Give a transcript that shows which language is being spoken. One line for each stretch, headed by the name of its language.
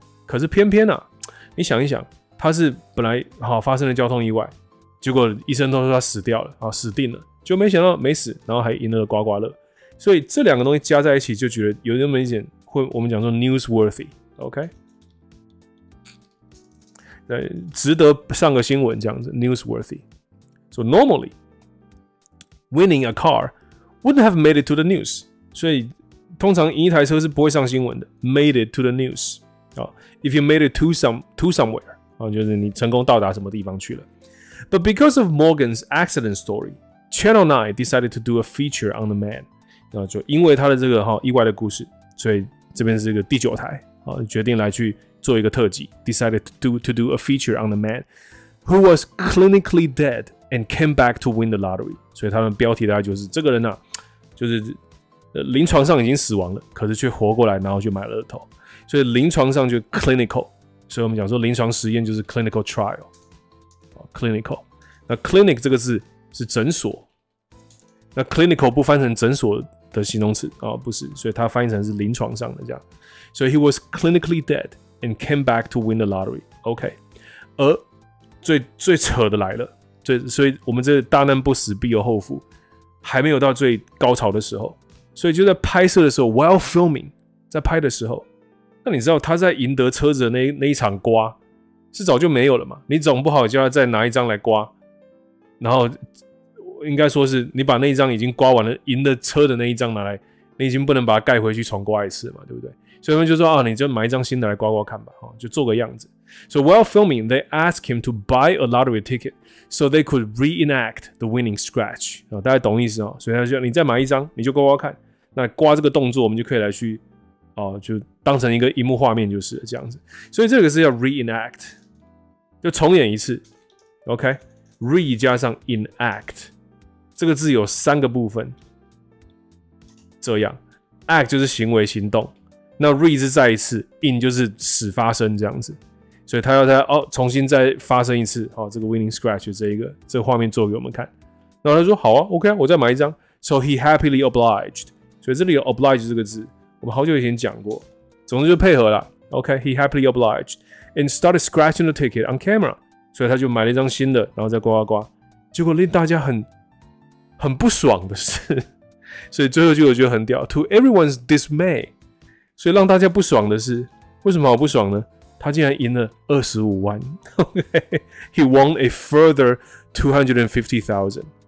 Chinese: 可是偏偏啊，你想一想，他是本来好发生了交通意外，结果医生都说他死掉了，死定了，就没想到没死，然后还赢了刮刮乐。所以这两个东西加在一起，就觉得有那么一点，会我们讲说 newsworthy， OK， 值得上个新闻这样子 newsworthy。
English: So normally winning a car wouldn't have made it to the news。
Chinese: 所以通常赢一台车是不会上新闻的 ，
English: made it to the news。 If you made it to somewhere，
Chinese: 就是你成功到达什么地方去了。
English: But because of Morgan's accident story， Channel 9 decided to do a feature on the man。
Chinese: 那就因为他的这个意外的故事，所以这边是一个第九台决定来去做一个特辑 ，
English: decided to do a feature on the man who was clinically dead and came back to win the lottery。
Chinese: 所以他们标题大概就是这个人啊，就是临床上已经死亡了，可是却活过来，然后就买了乐透。所以临床上就 clinical， 所以我们讲说临床实验就是 clinical trial，clinical。那 clinic 这个字是诊所。那 clinical 不翻成诊所的形容词不是，所以它翻译成是临床上的这样。所以
English: he was clinically dead and came back to win the lottery。
Chinese: OK， 而最扯的来了，所以我们这大难不死必有后福，还没有到最高潮的时候，所以就在拍摄的时候 ，
English: while filming，
Chinese: 在拍的时候，那你知道他在赢得车子的那一场刮是早就没有了嘛？你总不好叫他再拿一张来刮，然后。应该说是你把那一张已经刮完了赢的车的那一张拿来，你已经不能把它盖回去重刮一次嘛，对不对？所以他们就说啊，你就买一张新的来刮刮看吧，就做个样子。
English: So while filming, they asked him to buy a lottery ticket so they could reenact the winning scratch。
Chinese: 大家懂意思哦？所以他就说你再买一张，你就刮刮看。那刮这个动作，我们就可以来去就当成一个荧幕画面就是这样子。所以这个是要 reenact， 就重演一次。 OK，re 加上 enact。这个字有三个部分，这样 ，act 就是行为行动，那 re 是再一次 ，in 就是始发生这样子，所以他要再、哦、重新再发生一次、哦、这个 winning scratch 的这一个这个画面做给我们看。然后他说好啊 ,OK 啊我再买一张。
English: So he happily obliged.
Chinese: 所以这里有 oblige 这个字我们好久以前讲过。总之就配合啦
English: ,OK, he happily obliged. And started scratching the ticket on camera.
Chinese: 所以他就买了一张新的然后再刮刮刮。结果令大家很不爽的是。所以最后就我觉得很屌 ,
English: to everyone's dismay.
Chinese: 所以让大家不爽的是为什么好不爽呢他竟然赢了25万。
English: Okay? He won a further 250,000.